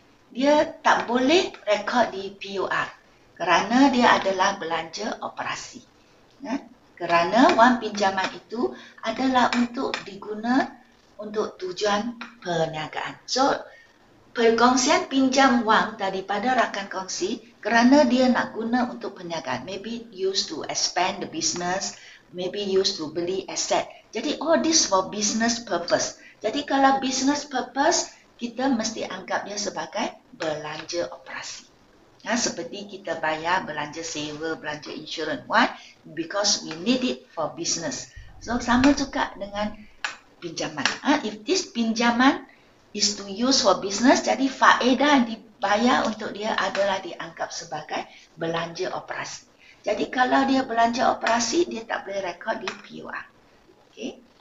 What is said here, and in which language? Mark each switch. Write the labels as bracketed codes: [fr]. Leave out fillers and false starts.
[ms] Dia tak boleh rekod di POR kerana dia adalah belanja operasi. Ya, kerana wang pinjaman itu adalah untuk diguna untuk tujuan perniagaan. So, perkongsian pinjam wang daripada rakan kongsi kerana dia nak guna untuk perniagaan. [en] Maybe used to expand the business, maybe used to [ms] beli aset. [en] Jadi all this for business purpose. [ms] Jadi kalau business purpose, kita mesti anggapnya sebagai belanja operasi. Ya, seperti kita bayar belanja sewa, belanja insurance. [en] Why? Because we need it for business. [ms] So sama juga dengan pinjaman. Ha, [en] if this pinjaman is to use for business, [ms] jadi faedah yang dibayar untuk dia adalah dianggap sebagai belanja operasi. Jadi kalau dia belanja operasi, dia tak boleh rekod di POR. Okay.